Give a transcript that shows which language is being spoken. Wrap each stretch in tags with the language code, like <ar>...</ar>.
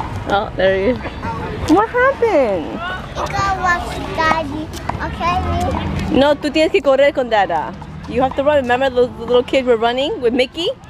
<en>Oh, there he is. What happened? You gotta watch Daddy, okay?</en> <es>No, tú tienes que correr con Dada.</es> <en>You have to run. Remember the little kid we're running with Mickey?</en>